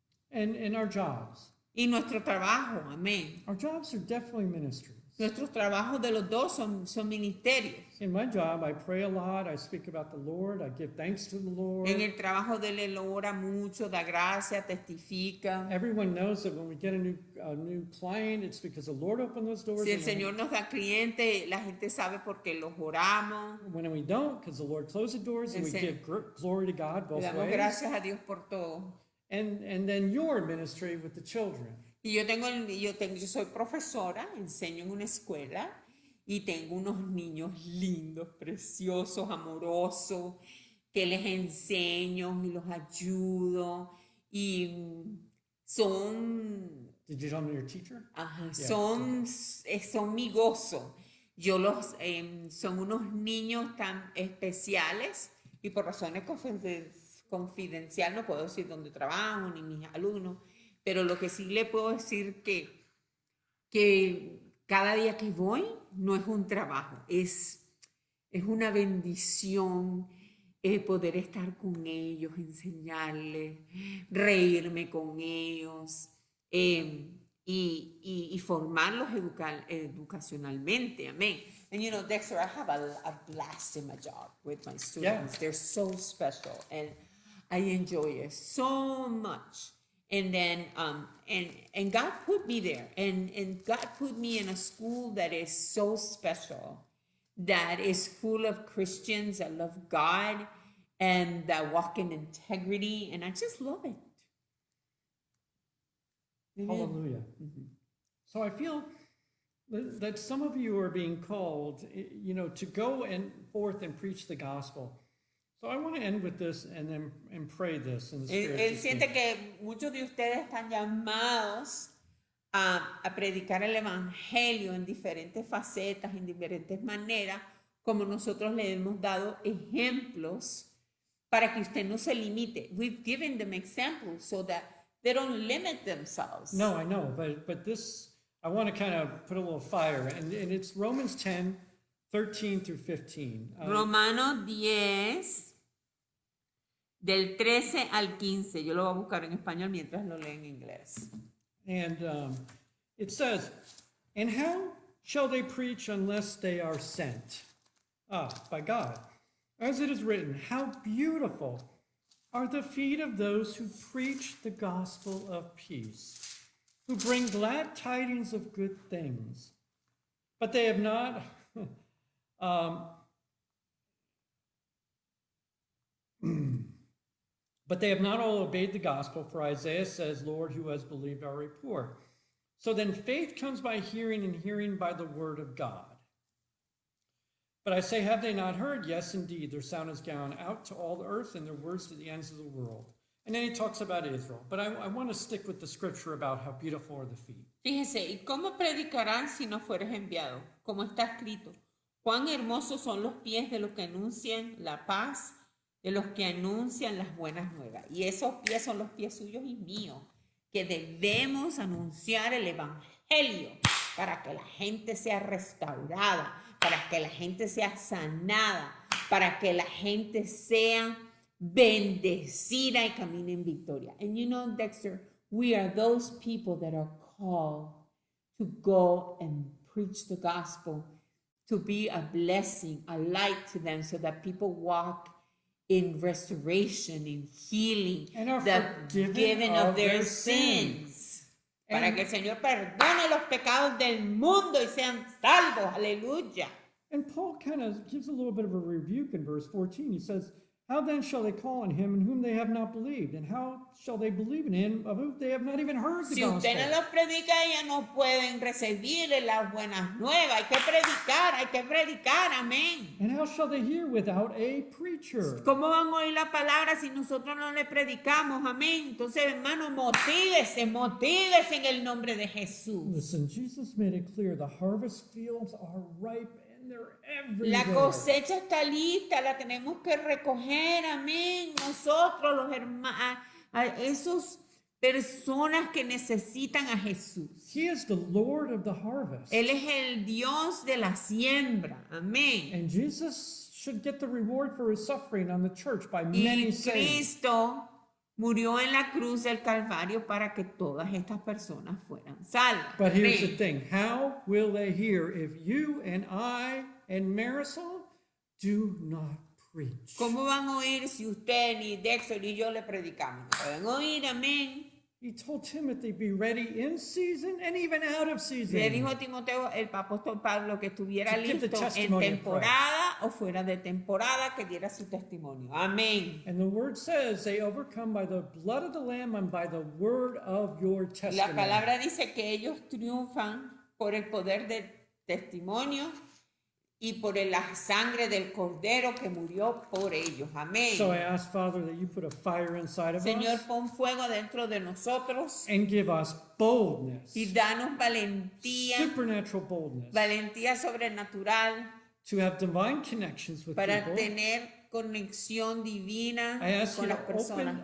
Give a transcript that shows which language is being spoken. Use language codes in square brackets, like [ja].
[en] And our jobs. [es] Y nuestro trabajo. Amén. [en] Our jobs are definitely ministries. [es] Nuestros trabajos de los dos son ministerios. [en] In my job, I pray a lot. I speak about the Lord. I give thanks to the Lord. [es] En el trabajo de él, ora mucho, da gracia, testifica. [en] Everyone knows that when we get a new client, it's because the Lord opened those doors. [es] Si el Señor nos da cliente, la gente sabe porque los oramos. [en] When we don't, because the Lord closed the doors, and we give glory to God both ways. [es] Le damos gracias a Dios por todo. [en] And then your ministry with the children. [es] Y yo soy profesora, enseño en una escuela. Y tengo unos niños lindos, preciosos, amorosos. que les enseño y los ayudo y son. [en] Did you tell me your teacher? [es] Son mi gozo. Yo los son unos niños tan especiales y por razones confidenciales no puedo decir dónde trabajo ni mis alumnos, pero lo que sí le puedo decir que cada día que voy no es un trabajo, es una bendición poder estar con ellos, enseñarles, reírme con ellos y formarlos educacionalmente. Amén. [en] And you know, Dexter, I have a blast in my job with my students. Yeah. They're so special and I enjoy it so much. And then and God put me there and God put me in a school that is so special, that is full of Christians that love God and that walk in integrity, and I just love it. Hallelujah. Mm-hmm. So I feel that some of you are being called, you know, to go and forth and preach the gospel. So I want to end with this and then and pray this in the spirit. [es] Él siente que muchos de ustedes están llamados a predicar el evangelio en diferentes facetas, en diferentes maneras, como nosotros le hemos dado ejemplos para que usted no se limite. [en] We've given them examples so that they don't limit themselves. No, I know, but this, I want to kind of put a little fire, and it's Romans 10, 13 through 15. [es] Romanos 10, del 13 al 15. Yo lo voy a buscar en español mientras lo leen en inglés. [en] And it says, and how shall they preach unless they are sent? By God. As it is written, how beautiful are the feet of those who preach the gospel of peace, who bring glad tidings of good things. But they have not, but they have not all obeyed the gospel, for Isaiah says, Lord, who has believed our report? So then faith comes by hearing, and hearing by the word of God. But I say, have they not heard? Yes, indeed, their sound has gone out to all the earth, and their words to the ends of the world. And then he talks about Israel. But I want to stick with the scripture about how beautiful are the feet. [es] Fíjese, ¿y cómo predicarán si no fueres enviado? Como está escrito, cuán hermosos son los pies de los que anuncian la paz, de los que anuncian las buenas nuevas. Y esos pies son los pies suyos y míos, que debemos anunciar el evangelio para que la gente sea restaurada, para que la gente sea sanada, para que la gente sea bendecida y camine en victoria. [en] And you know, Dexter, we are those people that are called to go and preach the gospel, to be a blessing, a light to them, so that people walk in restoration, in healing, and are forgiven of their sins. [es] Para que el Señor perdone los pecados del mundo y sean salvos. Aleluya. [en] And Paul kind of gives a little bit of a rebuke in verse 14. He says, how then shall they call on him in whom they have not believed? And how shall they believe in him of whom they have not even heard the gospel? [es] Si usted no los predica, ya no pueden recibir las buenas nuevas. Hay que predicar, amén. [en] And how shall they hear without a preacher? [es] ¿Cómo van a oír la palabra si nosotros no le predicamos, amén? Entonces, hermano, motívese en el nombre de Jesús. [en] Listen, Jesus made it clear, the harvest fields are ripe. [es] La cosecha está lista, la tenemos que recoger, amén. Nosotros, los hermanos, a esas personas que necesitan a Jesús. [en] He is the Lord of the harvest. [es] Él es el Dios de la siembra, amén. [en] And Jesus should get the reward for his suffering on the church by many saints. [es] Y Cristo murió en la cruz del Calvario para que todas estas personas fueran salvas. [en] But here's the thing. How will they hear if you and I and Marisol do not preach? [es] ¿Cómo van a oír si usted ni Dexter ni yo le predicamos? ¿No pueden oír? Amén. [en] He told Timothy, be ready in season and even out of season. [es] Le dijo a Timoteo, el apóstol Pablo, que estuviera listo en temporada o fuera de temporada, que diera su testimonio. Amén. [en] And the word says, they overcome by the blood of the Lamb and by the word of your testimony. [es] La palabra dice que ellos triunfan por el poder del testimonio y por la sangre del cordero que murió por ellos. Amén. [en] So I ask, Father, that you put a fire inside of [es] Señor, pon fuego dentro de nosotros. [en] And give us boldness. [es] Y danos valentía. [en] Supernatural boldness. [es] Valentía sobrenatural. [en] To have divine connections with [es] para [en] people. [es] Para tener conexión divina con las personas.